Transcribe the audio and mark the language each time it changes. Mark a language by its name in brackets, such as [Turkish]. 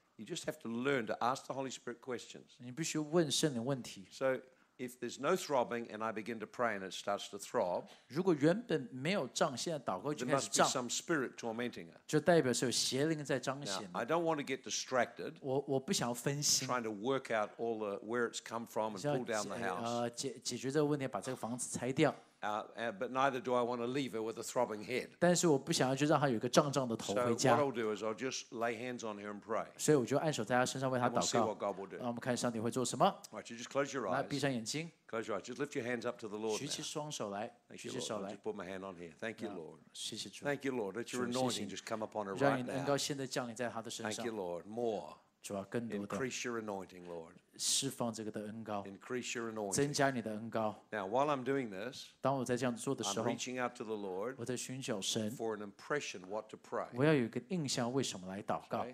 [English] You just have to learn to ask the Holy Spirit questions. [Chinese] 你必须问圣灵问题。 [English] So if there's no throbbing and I begin to pray and it starts to throb, [Chinese] 如果原本没有胀，现在祷告就开始胀。 [English] There must be some spirit tormenting her. [Chinese] 就代表是有邪灵在彰显。 [English] Now, I don't want to get distracted. [Chinese] 我不想要分心。 [English] Trying to work out all the where it's come from and pull down the house. [Chinese] 解决这个问题，把这个房子拆掉。 [English] But neither do I want to leave her with a throbbing head. [Chinese] 但是我不想要就让她有一个胀胀的头回家。 [English] So what I'll do is I'll just lay hands on her and pray. [Chinese] 所以我就按手在她身上为她祷告。 [English] We'll see what God will do. [Chinese] 那我们看上帝会做什么。 [English] All right, you just close your eyes. [Chinese] 来，闭上眼睛。 [English] Close your eyes. Just lift your hands up to the Lord. [Chinese] 举起双手来，举起手来。 [English] Just put my hand on here. Thank you, Lord. [Chinese] 谢谢主。 [English] Thank you, Lord. Let your anointing just come upon her right now. [Chinese] 让你的恩膏现在降临在她的身上。 [English] Thank you, Lord. More. [Chinese] 主啊，更多的 [English] increase your anointing, Lord. [Chinese] 释放这个的恩膏 [English] increase your anointing. [Chinese] 增加你的恩膏 [English] Now, while I'm doing this, [Chinese] 当我在这样做的时候 [English] I'm reaching out to the Lord. [Chinese] 我在寻求神 [English] for an impression, what to pray. [Chinese] 我要有一个印象，为什么来祷告